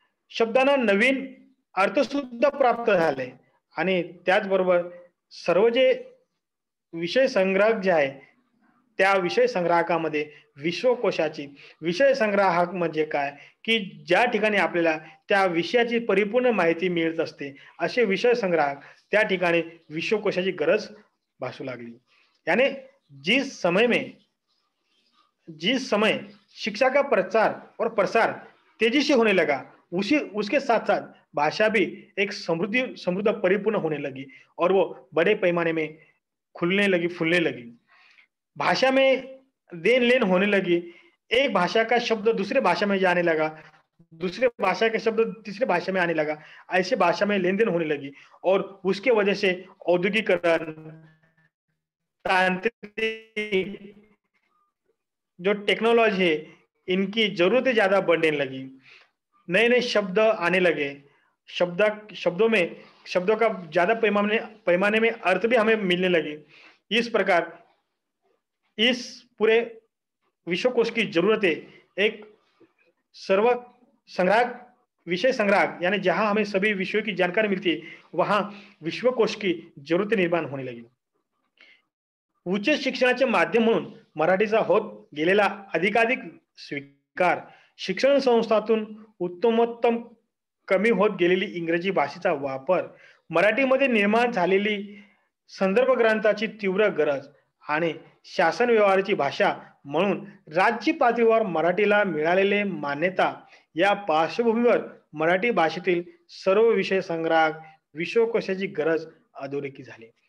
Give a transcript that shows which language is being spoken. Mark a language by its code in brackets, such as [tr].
[mr] शब्दांना नवीन अर्थ सुद्धा प्राप्त झाले आणि त्याचबरोबर सर्व जे विषय संग्राहक जे आहे त्या विषय संग्राहकामध्ये विश्वकोशाची विषय संग्राहक म्हणजे काय की ज्या ठिकाणी आपल्याला त्या विषयाची परिपूर्ण माहिती मिळत असते असे विषय संग्राहक त्या ठिकाणी विश्वकोशाची गरज भासू लागली. [hi] याने जिस समय शिक्षा का प्रचार और प्रसार तेजी से होने लगा उसके साथ साथ भाषा भी एक समृद्ध परिपूर्ण होने लगी और वो बड़े पैमाने में खुलने लगी फूलने लगी. भाषा में देन लेन होने लगी. एक भाषा का शब्द दूसरे भाषा में जाने लगा, दूसरे भाषा का शब्द तीसरे भाषा में आने लगा. ऐसे भाषा में लेन देन होने लगी और उसके वजह से औद्योगिकरण तांत्रिक जो टेक्नोलॉजी है इनकी जरूरतें ज्यादा बढ़ने लगी. नए नए शब्द आने लगे. शब्दों का ज्यादा पैमाने में अर्थ भी हमें मिलने लगे. इस प्रकार इस पूरे विश्वकोश की जरूरतें एक सर्व संग्राहक विषय संग्राहक यानी जहां हमें सभी विषयों की जानकारी मिलती है वहां विश्वकोश की जरूरतें निर्माण होने लगी. [mr] उच्च शिक्षणाचे माध्यम म्हणून मराठीचा होत गेलेला अधिकाधिक स्वीकार, शिक्षण संस्थांतून उत्तमोत्तम कमी होत गेलेली इंग्रजी भाषेचा वापर, मराठीमध्ये निर्माण झालेली संदर्भ ग्रंथाची तीव्र गरज आणि शासन व्यवहाराची भाषा म्हणून राज्य पातळीवर मराठीला मिळालेले मान्यता या पार्श्वभूमीवर मराठी भाषेतील सर्व विषय संग्राहक विश्वकोशाची गरज अधोरेखित झाली.